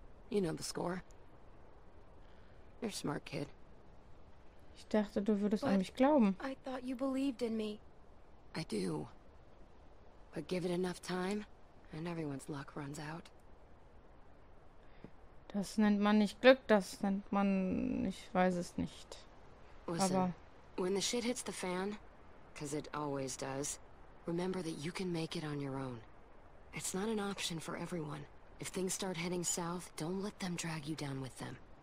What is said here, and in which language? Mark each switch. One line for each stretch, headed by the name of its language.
English: You know the score. You're a smart kid.
German: Ich dachte, du würdest an mich glauben.
English: I thought you believed in me. I do. But give it enough time, and everyone's luck runs out.
German: Das nennt man nicht Glück, das nennt man... Ich weiß es nicht.
English: Listen,
German: aber
English: when the shit hits the fan, because it always does, remember that you can make it on your own. It's not an option for everyone. If things start heading south, don't let them drag you down with them.